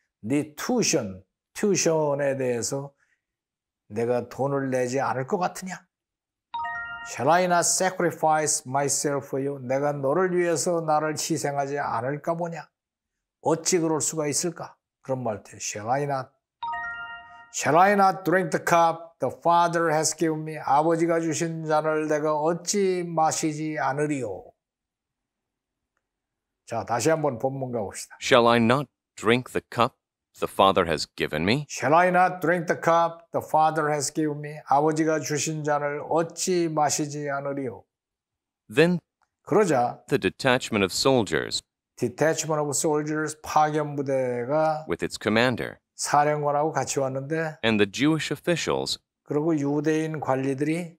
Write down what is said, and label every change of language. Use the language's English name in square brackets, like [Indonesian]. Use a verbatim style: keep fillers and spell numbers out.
[Korean] 네 tuition, tuition에 대해서 내가 돈을 내지 않을 것 같으냐? [English] Shall I not sacrifice myself for you? [Korean] 내가 너를 위해서 나를 희생하지 않을까 보냐? 어찌 그럴 수가 있을까? 그런 말투예요. [English] Shall I not? Shall I not drink the cup the Father has given me? [Korean] 아버지가 주신 잔을 내가 어찌 마시지 않으리요? 자, 다시 한번 본문 가봅시다. [English] Shall I not drink the cup the Father has given me? Shall I not drink the cup the Father has given me? [Korean] 아버지가 주신 잔을 어찌 마시지 않으리요? [English] Then [Korean] 그러자 [English] the detachment of soldiers Detachment of soldiers, [Korean] 파견 부대가 [English] with its commander [Korean] 사령관하고 같이 왔는데 [English] and the Jewish officials [Korean] 그리고 유대인 관리들이